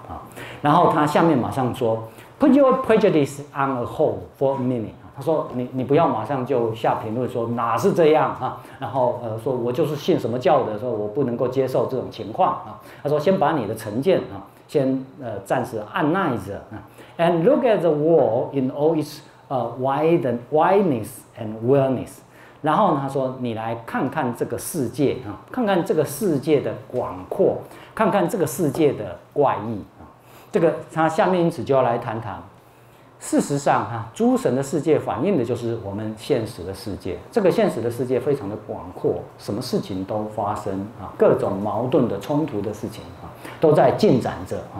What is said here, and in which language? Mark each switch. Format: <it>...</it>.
<zh>啊，然后他下面马上说 ，</zh> <en>Put your prejudice on a hold for a minute。</en> <zh>他说你不要马上就下评论说哪是这样啊，然后说我就是信什么教的，说我不能够接受这种情况啊。他说先把你的成见啊先暂时按捺着。</zh> <en>And look at the world in all its wideness and wellness.</en> <zh>然后他说，你来看看这个世界，看看这个世界的广阔，看看这个世界的怪异。这个他下面因此就要来谈谈。事实上，诸神的世界反映的就是我们现实的世界。这个现实的世界非常的广阔，什么事情都发生，各种矛盾的冲突的事情都在进展着。</zh>